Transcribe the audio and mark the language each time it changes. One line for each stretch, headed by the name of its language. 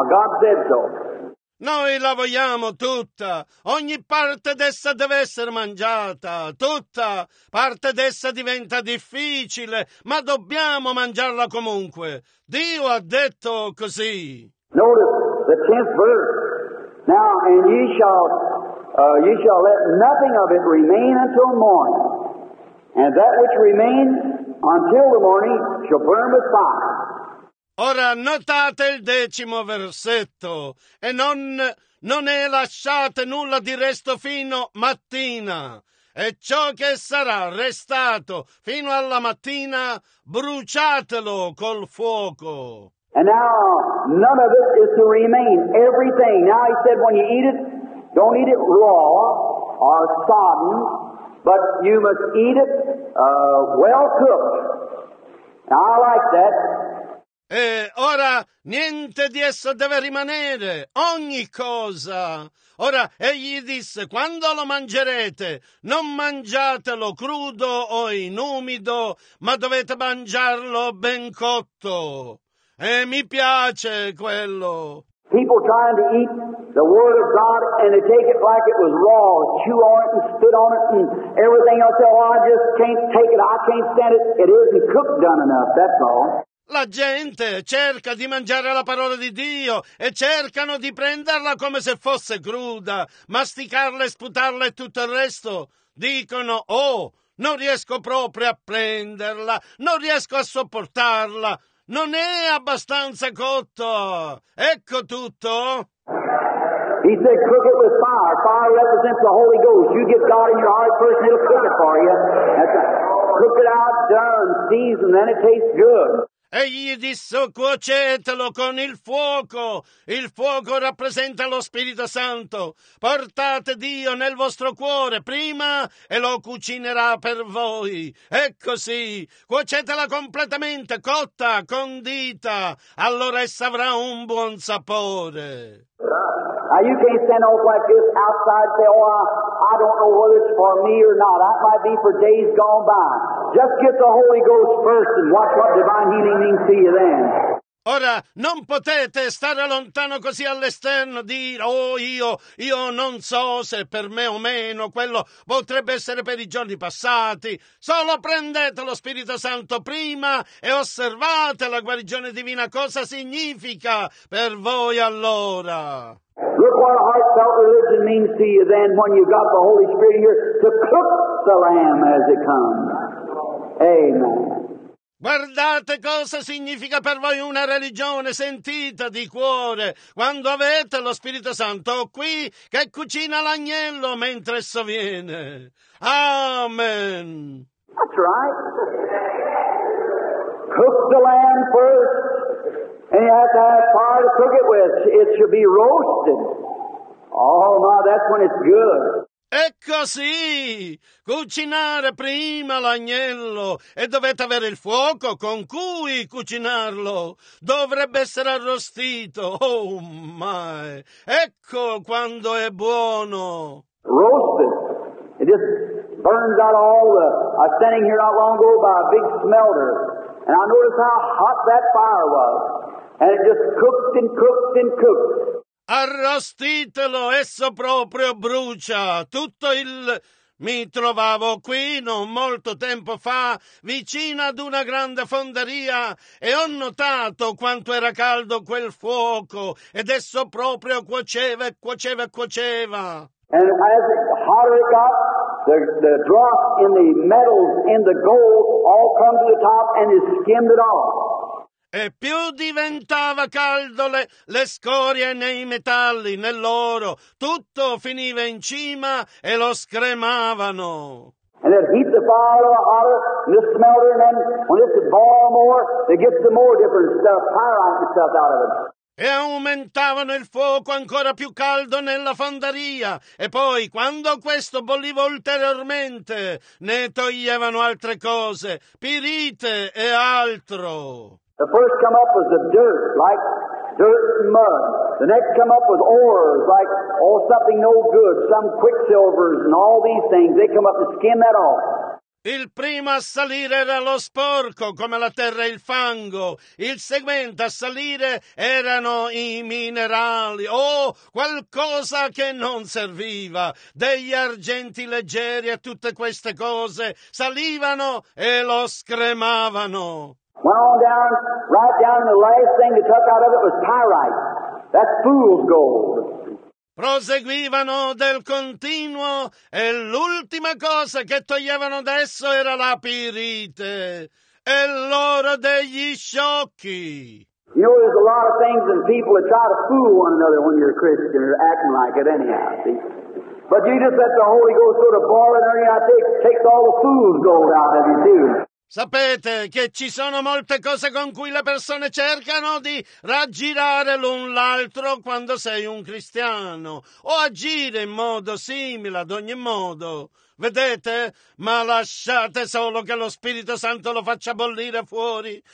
English: God said so.
Italian: Noi la vogliamo tutta, ogni parte d'essa deve essere mangiata, tutta parte d'essa diventa difficile, ma dobbiamo mangiarla comunque. Dio ha detto così.
English: Notice the 10th verse. Now, and ye shall let nothing of it remain until morning, and that which remains until the morning shall burn with fire.
Italian: Ora notate il decimo versetto, e non ne lasciate nulla di resto fino mattina, e ciò che sarà restato fino alla mattina, bruciatelo col fuoco.
English: And now none of it is to remain, everything. Now he said when you eat it, don't eat it raw or sodden, but you must eat it well cooked. Now I like that.
Italian: E ora niente di esso deve rimanere, ogni cosa. Ora egli disse, quando lo mangerete, non mangiatelo crudo o in umido, ma dovete mangiarlo ben cotto. E mi piace quello.
English: People trying to eat the word of God and they take it like it was raw, chew on it and spit on it and everything else. They say, oh, I just can't take it, I can't stand it. It isn't cooked done enough, that's all.
Italian: La gente cerca di mangiare la parola di Dio e cercano di prenderla come se fosse cruda, masticarla e sputarla e tutto il resto. Dicono, oh, non riesco proprio a prenderla, non riesco a sopportarla, non è abbastanza cotto. Ecco tutto.
English: He said, cook it with fire. Fire represents the Holy Ghost. You get God in your heart first and he'll cook it for you. That's right. Cook it out, done, seasoned, then it tastes good.
Italian: Egli disse, cuocetelo con il fuoco. Il fuoco rappresenta lo Spirito Santo. Portate Dio nel vostro cuore prima e lo cucinerà per voi. E così, cuocetela completamente, cotta, condita. Allora essa avrà un buon sapore.
English: Now you can't stand off like this outside and say, oh, I don't know whether it's for me or not. That might be for days gone by. Just get the Holy Ghost first and watch what divine healing means to you then.
Italian: Ora, non potete stare lontano così all'esterno, dire, oh, io non so se per me o meno, quello potrebbe essere per i giorni passati. Solo prendete lo Spirito Santo prima e osservate la guarigione divina. Cosa significa per voi allora?
English: Look what a heartfelt religion means to you then when you've got the Holy Spirit here to cook the lamb as it comes. Amen.
Italian: Guardate cosa significa per voi una religione sentita di cuore quando avete lo Spirito Santo qui che cucina l'agnello mentre esso viene. Amen.
English: That's right. Cook the lamb first and you have to have fire to cook it with. It should be roasted. Oh my, that's when it's good.
Italian: E così, cucinare prima l'agnello e dovete avere il fuoco con cui cucinarlo. Dovrebbe essere arrostito.
English: Oh my,
Italian: ecco quando è buono.
English: Roasted. It just burns out all the... I was standing here not long ago by a big smelter and I noticed how hot that fire was. And it just cooked and cooked and cooked.
Italian: Arrostitelo, esso proprio brucia. Tutto il... Mi trovavo qui non molto tempo fa, vicino ad una grande fonderia, e ho notato quanto era caldo quel fuoco, ed esso proprio cuoceva e cuoceva e cuoceva.
English: And as hotter it got, the drop in the metals, in the gold, all come to the top and is skimmed it off.
Italian: E più diventava caldo le scorie nei metalli, nell'oro, tutto finiva in cima e lo scremavano.
English: And it heats the fire hotter, and the smelter, and then when it's boiling more, they get some more different stuff, pyrite stuff out of it.
Italian: E aumentavano il fuoco ancora più caldo nella fonderia. E poi, quando questo bolliva ulteriormente, ne toglievano altre cose, pirite e altro.
English: The first come up was the dirt, like dirt and mud. The next come up was ores, like all something no good, some quicksilvers and all these things. They come up and skim that off.
Italian: Il primo a salire era lo sporco, come la terra e il fango. Il seguente a salire erano i minerali, qualcosa che non serviva. Degli argenti leggeri e tutte queste cose salivano e lo scremavano.
English: Went on down, right down, and the last thing they took out of it was pyrite. That's fool's gold.
Italian: Proseguivano del continuo e l'ultima cosa che toglievano adesso era la pirite e l'oro degli sciocchi.
English: You know, there's a lot of things and people that try to fool one another when you're a Christian or acting like it anyhow, see? But you just let the Holy Ghost sort of boil it and takes all the fool's gold out of you, too.
Italian: Sapete che ci sono molte cose con cui le persone cercano di raggirare l'un l'altro quando sei un cristiano, o agire in modo simile ad ogni modo. Vedete? Ma lasciate solo che lo Spirito Santo lo faccia bollire fuori.